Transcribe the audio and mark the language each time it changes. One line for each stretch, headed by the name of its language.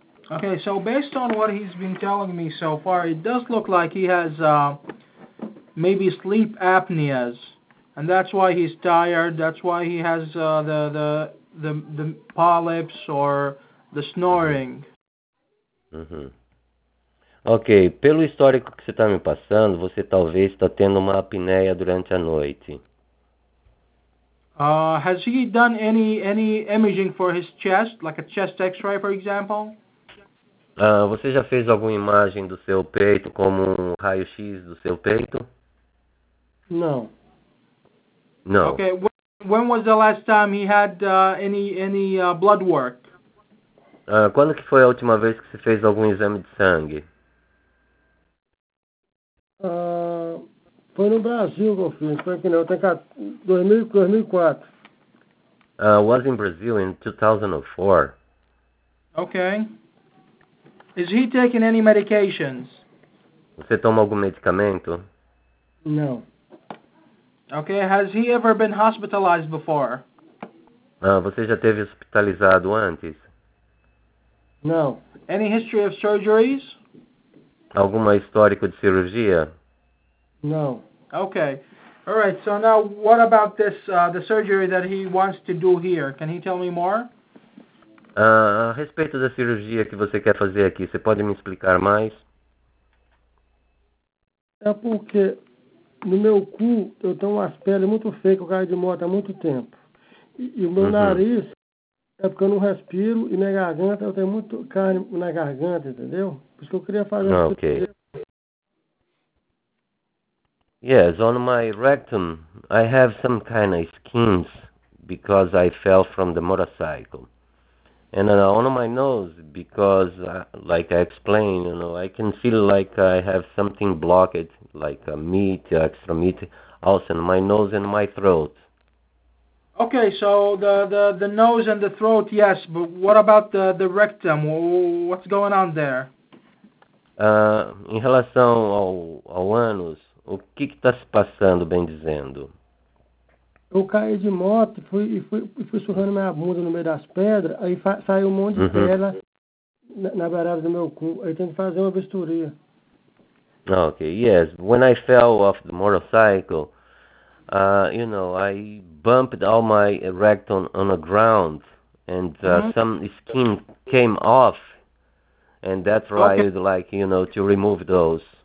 English: Okay, so based on what he's been telling me so far, it does look like he has maybe sleep apneas. And that's why he's tired, that's why he has the polyps or the snoring. Uhum.
Portuguese: Ok, pelo histórico que você está me passando, você talvez está tendo uma apneia durante a noite.
English: Has he done any imaging for his chest, like a chest x-ray, for example?
Portuguese: Você já fez alguma imagem do seu peito, como um raio-x do seu peito? Não.
English: Okay. When was the last time he had any blood work?
Portuguese: Quando que foi a última vez que você fez algum exame de sangue? Foi no Brasil, meu filho. Foi aqui, não. Tem que 2004.
English: Was in Brazil in 2004. Okay. Is he taking any medications?
Portuguese: Você toma algum medicamento? Não.
English: Okay, has he ever been hospitalized before?
Portuguese: Você já teve hospitalizado antes?
English: No. Any history of surgeries?
Portuguese: Alguma histórico de cirurgia?
English: No. Okay. All right, so now what about this the surgery that he wants to do here? Can he tell me more?
Portuguese: A respeito da cirurgia que você quer fazer aqui, você pode me explicar mais? É porque no meu cu, eu tenho umas peles muito feias, que eu caio de moto há muito tempo. E o meu nariz, é porque eu não respiro, e na garganta, eu tenho muito carne na garganta, entendeu? Por isso que eu queria fazer... Ok.
English: Yes, on my rectum, I have some kind of skins, because I fell from the motorcycle. And on my nose, because, like I explained, you know, I can feel like I have something blocked, like meat, extra meat, also in my nose and my throat. Okay, so the nose and the throat, yes, but what about the rectum? What's going on there?
Portuguese: Em relação ao ânus, o que está se passando, bem dizendo? Eu caí de moto e fui surrando minha bunda no meio das pedras, aí saiu um monte de pedra na beirada do meu cu. Aí tem que fazer uma bisturia.
English: Okay, yes. When I fell off the motorcycle, you know, I bumped all my rectum on the ground, and some skin came off, and that's why I'd like, you know, to remove those.